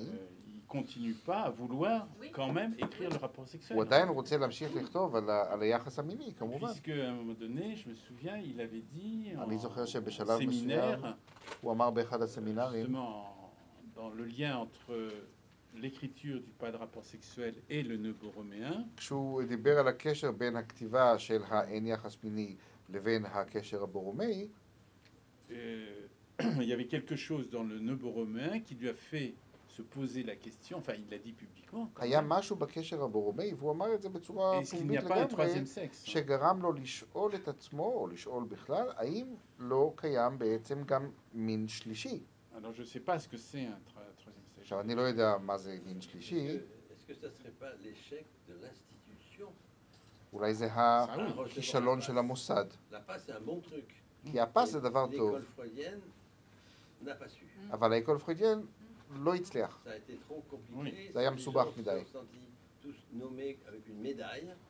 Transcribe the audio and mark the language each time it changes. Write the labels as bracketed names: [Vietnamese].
[French] Il continue pas à vouloir quand même écrire le rapport sexuel. [Hebrew] הוא עדיין רוצה להמשיך לכתוב על היחס המיני, כמובן. [French] Puisque à un moment donné, je me souviens, il avait dit... [Hebrew] אני זוכר שבשלב מסוים, הוא אמר באחד הסמינרים... [French] Dans le lien entre l'écriture du pas de rapport sexuel et le nœud borroméen. [Hebrew] כשהוא דיבר על הקשר בין הכתיבה של האין יחס מיני לבין הקשר הבורומי, [French] il y avait quelque chose dans le Nebo Roméen qui lui a fait se poser la question. Enfin, il l'a dit publiquement. Il y a [Hebrew] משהו בקשר הבורמי, והוא אמר את זה בצורה פומבית לגמרי. [French] Est-ce qu'il n'y a pas un troisième sexe? [Hebrew] שגרם לו לשאול את עצמו, או לשאול בכלל, האם לא קיים בעצם גם מין שלישי? [French] Alors, je ne sais pas ce que c'est un troisième sexe. [Hebrew] עכשיו, אני לא יודע מה זה מין שלישי. [French] Est-ce que ça ne serait pas l'échec de l'institution? [Hebrew] אולי זה הכישלון של המוסד. [French] La passe, c'est un bon truc. [Hebrew] כי הפס זה דבר טוב. [French] L'école freudienne n'a pas su. [Hebrew] אבל l'école freudienne לא הצליח. [French] Ça a été trop compliqué. [Hebrew] זה היה מסובך מדי. [French] Tous nommés avec une médaille.